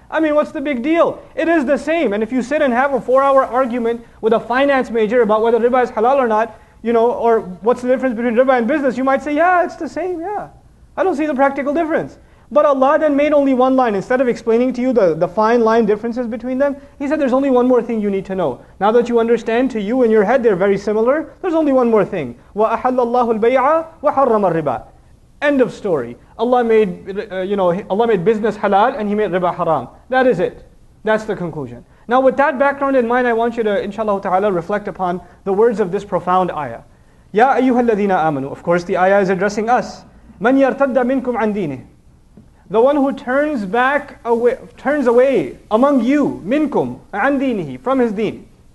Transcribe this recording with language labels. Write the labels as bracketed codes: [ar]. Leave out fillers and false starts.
[en] I mean, what's the big deal? It is the same. And if you sit and have a four-hour argument with a finance major about whether riba is halal or not, you know, or what's the difference between riba and business, you might say, yeah, it's the same, yeah. I don't see the practical difference. But Allah then made only one line. Instead of explaining to you the fine line differences between them, He said, there's only one more thing you need to know. Now that you understand, to you in your head, they're very similar, there's only one more thing. [ar] وَأَحَلَّ اللَّهُ الْبَيْعَ وَحَرَّمَ الرِّبَى End of story. [en] Allah made business halal and He made riba haram. That is it. That's the conclusion. Now with that background in mind, I want you to, inshallah ta'ala, reflect upon the words of this profound ayah. Ya أَيُّهَا الَّذِينَ آمَنُوا Of course, the ayah is addressing us. مَنْ يَرْتَدَّ مِنْكُمْ عَنْ دِينِهِ The one who turns away among you, minkum, عَنْ دِينِهِ From his deen.